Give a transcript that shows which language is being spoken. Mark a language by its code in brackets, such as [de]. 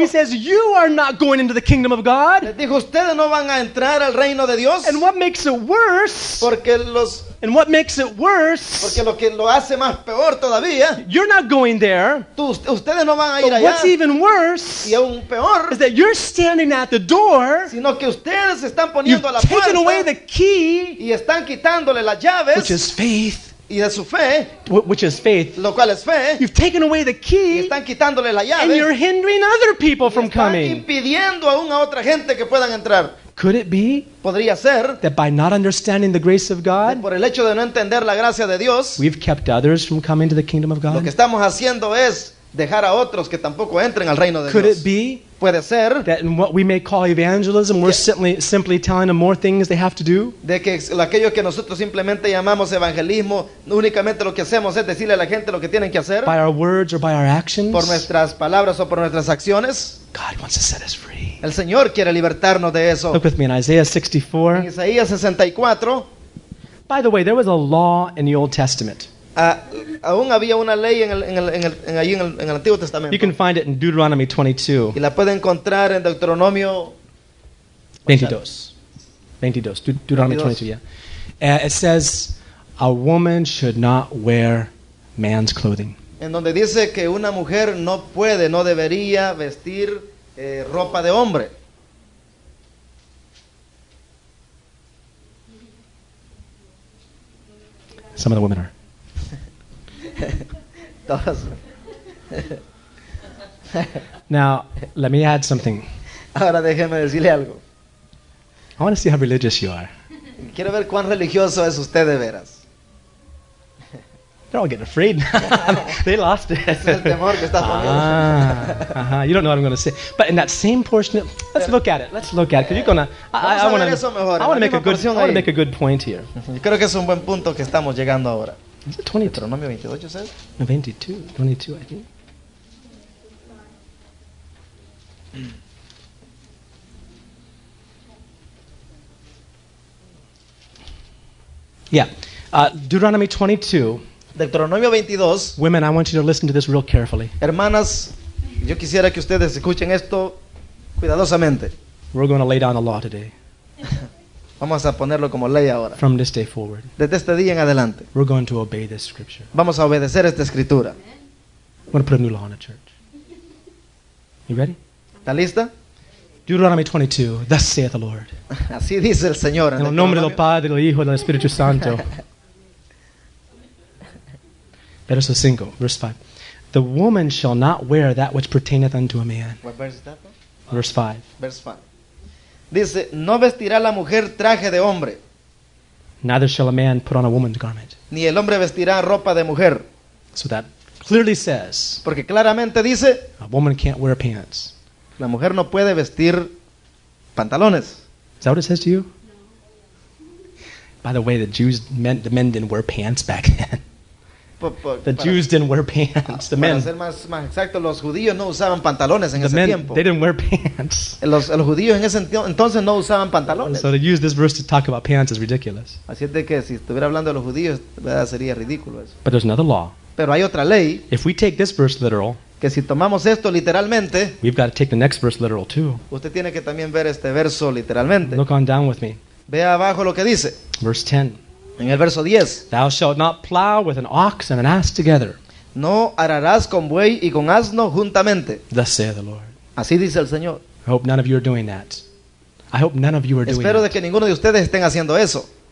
[en] He says, "You are not going into the kingdom of God." [es] Les dijo, ustedes no van a entrar al reino de Dios. [en] And what makes it worse? [es] Porque los [en] And what makes it worse? [es] Porque lo que lo hace más peor todavía. [en] You're not going there. [es] Ustedes no van a ir allá. [en] But what's even worse? [es] Y aún peor. [en] Is that you're standing at the door. [es] Sino que ustedes están poniendo la [en] puerta. Taking away the key. [es] Y están quitándole las llaves. [en] Which is faith. [es] Y de su fe, [en] which is faith. [es] Lo cual es fe. [en] You've taken away the key. [es] Y están quitándole la llave. [en] And you're hindering other people from coming. [es] Están impidiendo aún a otra gente que puedan entrar. [en] Could it be? [es] Podría ser. [en] That by not understanding the grace of God. [es] Por el hecho de no entender la gracia de Dios. [en] We've kept others from coming to the kingdom of God. [es] Lo que estamos haciendo es dejar a otros que tampoco entren al reino de [en] Could [es] Dios. [en] Could it be? [es] Puede ser. [en] That in what we may call evangelism, we're simply telling them more things they have to do. [es] De que aquello que nosotros simplemente llamamos evangelismo, únicamente lo que hacemos es decirle a la gente lo que tienen que hacer. [en] By our words or by our actions. [es] Por nuestras palabras o por nuestras acciones. [en] God wants to set us free. [es] El Señor quiere libertarnos de eso. [en] Look with me in Isaiah 64. [es] En Isaías 64. [en] By the way, there was a law in the Old Testament. [es] Aún había una ley en el Antiguo Testamento. [en] You can find it in Deuteronomy 22. [es] Y la puede encontrar en Deuteronomio [en] 22. Deuteronomy 22, yeah. It says a woman should not wear man's clothing. [es] En donde dice que una mujer no puede, no debería vestir ropa de hombre. [en] Some of the women are. Now, let me add something. [es] Ahora déjeme decirle algo. [en] I want to see how religious you are. [es] Quiero ver cuán religioso es usted de veras. [en] They're all getting afraid. They lost it. [es] Es el temor que está poniendo. [en] You don't know what I'm going to say. But in that same portion, let's look at it. Because you're going to. I want to make a good point here. [es] Creo que es un buen punto que estamos llegando ahora. [en] Is it 22? No, 22, I think. Yeah. Deuteronomy 22. Women, I want you to listen to this real carefully. [es] Hermanas, yo quisiera que ustedes escuchen esto cuidadosamente. [en] We're going to lay down the law today. [es] Vamos a ponerlo como ley ahora. [en] From this day forward. [es] Desde este día en adelante. [en] We're going to obey this scripture. [es] Vamos a obedecer esta escritura. [en] I'm going to put a new law on the church. You ready? [es] ¿Está lista? [en] Deuteronomy 22, thus saith the Lord. [es] Así dice el Señor. En el nombre del Padre, del Hijo y del Espíritu Santo. Verso 5, [en] verse 5. The woman shall not wear that which pertaineth unto a man. What verse is that? Verse 5. Verse 5. [es] Dice, no vestirá la mujer traje de hombre. [en] Neither shall a man put on a woman's garment. [es] Ni el hombre vestirá ropa de mujer. [en] So that clearly says. [es] Porque claramente dice. [en] A woman can't wear pants. [es] La mujer no puede vestir pantalones. [en] Is that what it says to you? By the way, the men didn't wear pants back then. The Jews didn't wear pants. The men. [es] Para ser más exacto, los judíos no usaban pantalones en ese tiempo. [en] The men, they didn't wear pants. [es] Los judíos en ese entonces no usaban pantalones. [en] So to use this verse to talk about pants is ridiculous. [es] Así es de que si estuviera hablando de los judíos, sería ridículo eso. [en] But there's another law. [es] Pero hay otra ley. [en] If we take this verse literal, [es] que si tomamos esto literalmente, [en] we've got to take the next verse literal too. [es] Usted tiene que también ver este verso literalmente. [en] Look on down with me. [es] Vea abajo lo que dice. [en] Verse 10. [es] En el verso 10. [en] Thou shalt not plow with an ox and an ass together. [es] No ararás con buey y con asno juntamente. [en] Thus saith the Lord. [es] Así dice el Señor. [en] I hope none of you are doing that. I hope none of you are doing that. [es] Espero de que ninguno de ustedes estén haciendo eso.